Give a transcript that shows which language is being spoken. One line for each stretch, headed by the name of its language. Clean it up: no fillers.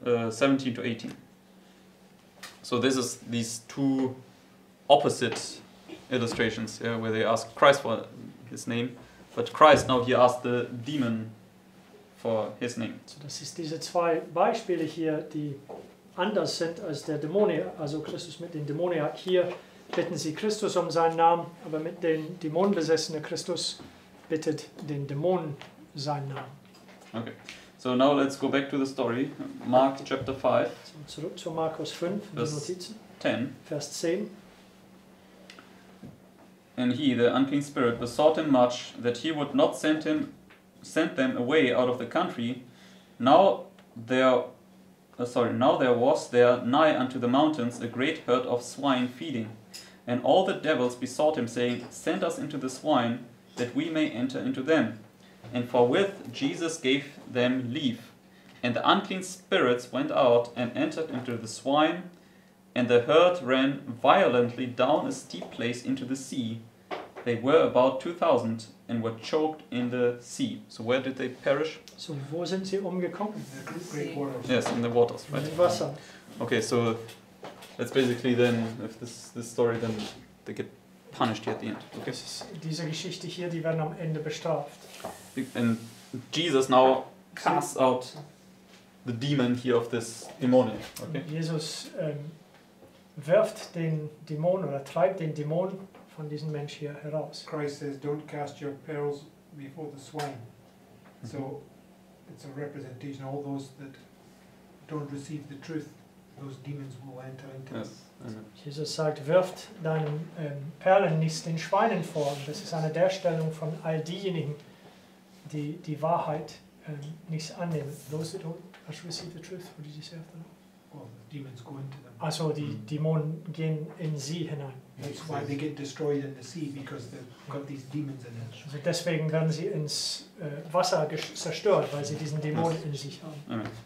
English: 17 to 18. So this is these two opposite illustrations, yeah, where they ask Christ for his name, but Christ now he asked the demon for his name.
German: So das ist diese zwei Beispiele hier, die anders sind als der Dämonier. Also Christus mit den Dämoniak hier bitten sie Christus um seinen Namen, aber mit den Dämonenbesessenen Christus bittet den Dämonen seinen Namen.
English: Okay. So now let's go back to the story, Mark chapter 5.
German: So zurück zu Markus 5,
English: verse 10.
German: Vers 10.
English: And he, the unclean spirit, besought him much that he would not send them away out of the country. Now there was there nigh unto the mountains a great herd of swine feeding, and all the devils besought him, saying, send us into the swine, that we may enter into them. And forthwith Jesus gave them leave. And the unclean spirits went out and entered into the swine, and the herd ran violently down a steep place into the sea. They were about 2,000 and were choked in the sea. So where did they perish?
German: So wo sind sie umgekommen?
English: In the great waters. Yes, in the waters, right? In the Wasser. Okay, so that's basically then, if this story, then they get punished here at the end. Okay.
German: Diese Geschichte hier, die werden am Ende bestraft.
English: And Jesus now casts out the demon here of this demon. Okay.
German: Jesus wirft den Dämon oder treibt den Dämon von diesem Mensch hier heraus.
English: Christ says, "Don't cast your pearls before the swine." Mm-hmm. So it's a representation. All those that don't receive the truth, those demons will enter into. Yes.
German: Jesus sagt, wirft deinem Perlen nicht den Schweinen vor. Das ist eine Darstellung von all diejenigen, die die Wahrheit nicht annehmen.
English: Those that don't receive the truth, what did you say after that? Well, the demons go into them.
German: Also, die Dämonen gehen in sie hinein.
English: That's why they get destroyed in the sea, because they've got these demons in them.
German: Also deswegen werden sie ins Wasser zerstört, weil sie diesen Dämon in sich haben.